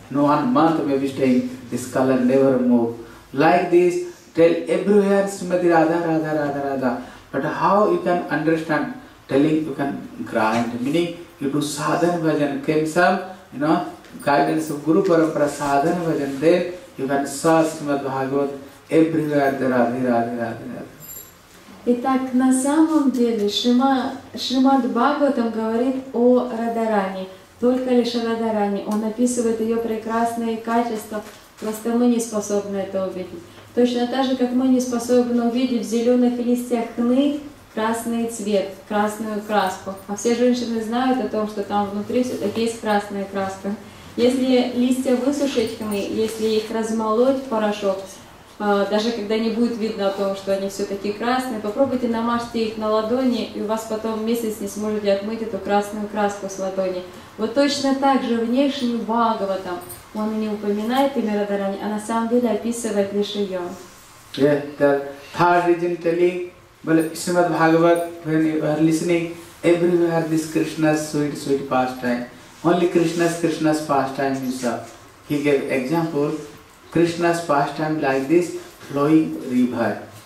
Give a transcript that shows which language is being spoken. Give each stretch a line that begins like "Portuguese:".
English: No, 1 month maybe staying, this color never move. Like this, tell everywhere Srimati Radha, Radha, Radha, Radha. But how you can understand, telling you can grind, meaning you do sadhana bhajan, came some, guidance of Guru Parampara sadhana bhajan, then you can saw Srimad Bhagavat everywhere, Radha, Radha, Radha, Radha.
Russian: Итак, на самом деле Шримад Бхагаватам говорит о Радарани, только лишь о Радарани. Он описывает ее прекрасные качества, просто мы не способны это увидеть. Точно так же, как мы не способны увидеть в зеленых листьях хны красный цвет, красную краску. А все женщины знают о том, что там внутри все-таки есть красная краска. Если листья высушить хны, если их размолоть в порошок, даже когда не будет видно о том, что они все-таки красные, попробуйте намажьте их на ладони, и у вас потом месяц не сможете отмыть эту красную краску с ладони. Вот точно так же внешний Бхагаватам, он не упоминает имя Радарани, а на самом деле описывает лишь ее.
English: Yeah, the third reason telling, well, Srimad Bhagavat, when you are listening, everywhere this Krishna's sweet, sweet pastime. Only Krishna's pastime is up. He gave example, Krishna's pastime like this flowing river.